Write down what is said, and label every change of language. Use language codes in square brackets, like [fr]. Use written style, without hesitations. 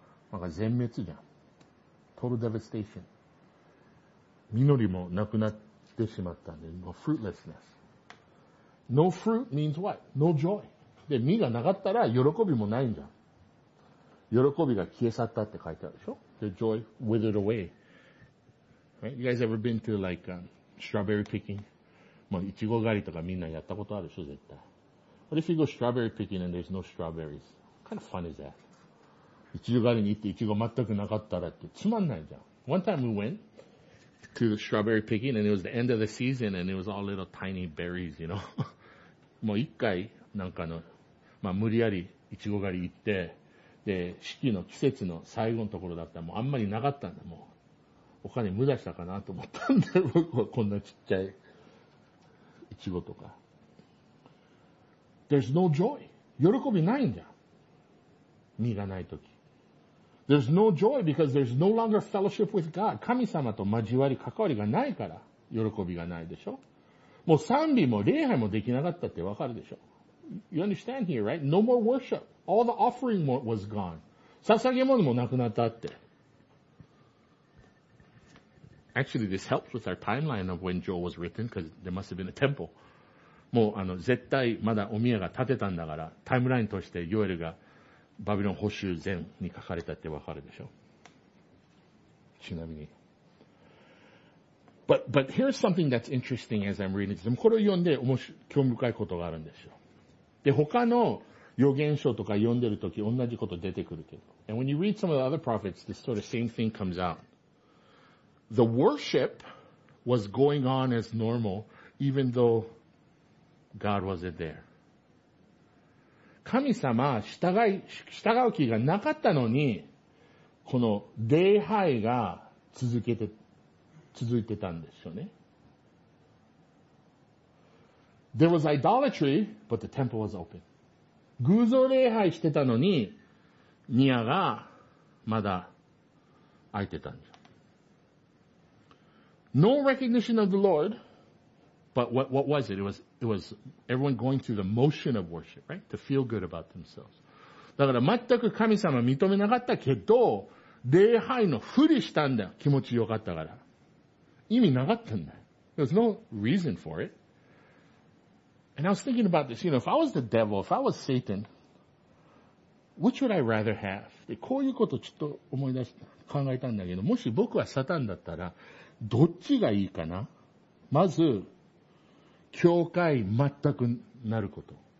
[ja] なんか全滅じゃん。 [en] Total devastation. [ja] 実りもなくなってしまったんで、もう fruitlessness. [en] No fruit means what? No joy. [ja] で、実がなかったら喜びもないんじゃん。喜びが消え去ったって書いてあるでしょ? [en] The joy withered away. Right? You guys ever been to like strawberry picking? [ja] Well, いちご狩りとかみんなやったことあるでしょ、絶対。 [en] What if you go strawberry picking and there's no strawberries? What kind of fun is that? [ja] いちご狩りに行っていちご全くなかったらってつまんないじゃん。 [en] One time we went to the strawberry picking and it was the end of the season and it was all little tiny berries, you know. [ja] もう一回なんかの、まあ無理やりいちご狩り行って、で、四季の季節の最後のところだったらもうあんまりなかったんだ、もう。お金無駄したかなと思ったんだよ、僕はこんなちっちゃいイチゴとか。 [en] There's no joy. [ja] 喜びないんじゃん。実がないとき。 [en] There's no joy because there's no longer fellowship with God. [ja] 神様と交わり、関わりがないから、喜びがないでしょ。もう賛美も礼拝もできなかったってわかるでしょ。 [en] You understand here, right? No more worship. All the offering was gone. [ja] 捧げ物もなくなったって。 [en] Actually, this helps with our timeline of when Joel was written, because there must have been a temple. [ja] もう、絶対、まだ、お宮が建てたんだから、タイムラインとして、ヨエルが、バビロン捕囚前に書かれたってわかるでしょ。ちなみに。 [en] But here's something that's interesting as I'm reading this. [ja] これを読んで、興味深いことがあるんですよ。で、他の予言書とか読んでるとき、同じこと出てくるけど。 [en] And when you read some of the other prophets, this sort of same thing comes out. The worship was going on as normal, even though God wasn't there. [ja] 神様、従う気がなかったのに、この礼拝が続いてたんですよね。 [en] There was idolatry, but the temple was open. [ja] 偶像礼拝してたのに、宮がまだ開いてたんです。 [en] No recognition of the Lord, but what was it? It was everyone going through the motion of worship, right? To feel good about themselves. [ja] だから全く神様認めなかったけど、礼拝のふりしたんだよ。気持ちよかったから。意味なかったんだよ。 [en] There's no reason for it. And I was thinking about this, you know, if I was the devil, if I was Satan, which would I rather have? [ja] で、こういうことちょっと思い出して考えたんだけど、もし僕はサタンだったら、どっちがいいかな? まず、教会全くなること。